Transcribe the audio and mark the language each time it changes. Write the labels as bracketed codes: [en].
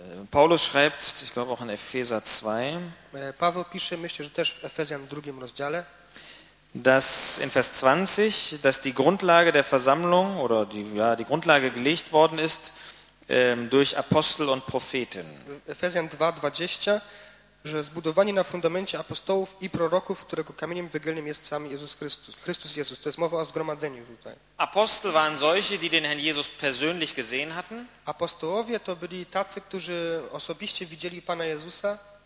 [de] Paulus schreibt, ich glaube auch in Epheser 2. [pl] Paweł pisze, myślę, że też w Efezjan 2 rozdziale. [de] Dass in Vers 20, dass die Grundlage der Versammlung oder die Grundlage gelegt worden ist durch Apostel und Propheten. [pl] Efezjan 2:20, że zbudowanie na fundamencie apostołów i proroków, którego kamieniem węgielnym jest sam Jezus Chrystus. Chrystus Jezus, to jest mowa o zgromadzeniu tutaj. [de] Apostel waren solche, die den Herrn Jesus persönlich gesehen hatten. [pl] Apostołowie to byli tacy, którzy osobiście widzieli Pana Jezusa.